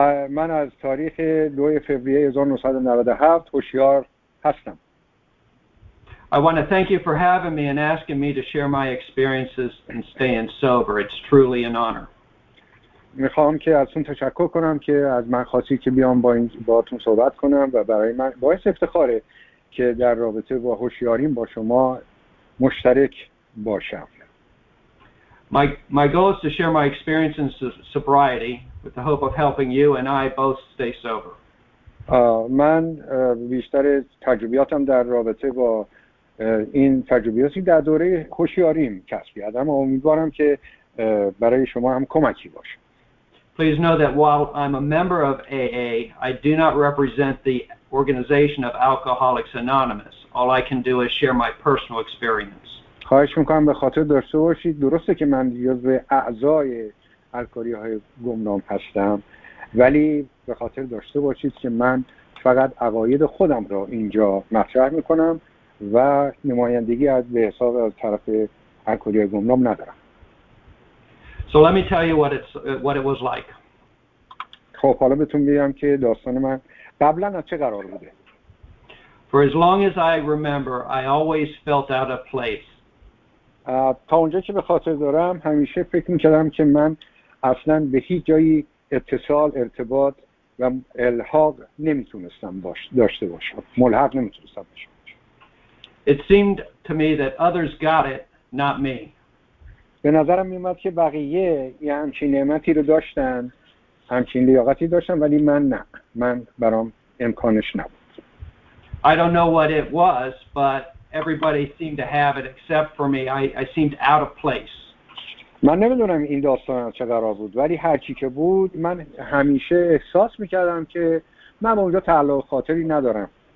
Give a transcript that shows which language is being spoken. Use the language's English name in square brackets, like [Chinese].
[Persian] من از تاریخ 2 فوریه 1997 هوشیار هستم. [English] I want to thank you for having me and asking me to share my experiences and staying sober. It's truly an honor. [Persian] میخوام که ازتون تشکر کنم که از من خواستید که بیام باهاتون صحبت کنم و برای من باعث افتخاره که در رابطه با هوشیاری با شما مشترک باشم. [English] My goal is to share my experience in sobriety with the hope of helping you and I both stay sober. [Persian] من بیشتر تجربیاتم در رابطه با این تجربیاتی در دوره هوشیاریم کسب کردم و امیدوارم که برای شما هم کمکی باشه. [English] Please know that while I'm a member of AA, I do not represent the organization of Alcoholics Anonymous. All I can do is share my personal experience. [Persian] خواهش میکنم به خاطر داشته باشید درسته که من جزو اعضای الکلی‌های گمنام هستم، ولی به خاطر داشته باشید که من فقط عقاید خودم را اینجا مطرح میکنم و نمایندگی از به حساب از طرف الکلی‌های گمنام ندارم. [English] So let me tell you what it was like. [Persian] خب حالا بهتون میگم که داستان من قبلا از چه قرار بوده. [English] For as long as I remember, I always felt out of place. [Persian] تا اونجا که به خاطر دارم همیشه فکر میکردم که من اصلا به هیچ جایی اتصال، ارتباط و الحاق نمیتونستم داشته باشم. ملحق نمیتونستم باشم. [English] It seemed to me that others got it, not me. [Persian] به نظرم می اومد که بقیه یه همچین نعمتی رو داشتن، همچین لیاقتی داشتن، ولی من نه. من برام امکانش نبود. [English] I don't know what it was, but everybody seemed to have it except for me. I seemed out of place. [Persian] من نمیدونم این داستان چه قرار بود، ولی هر چی که بود من همیشه احساس میکردم که من اونجا تعلق خاطری ندارم.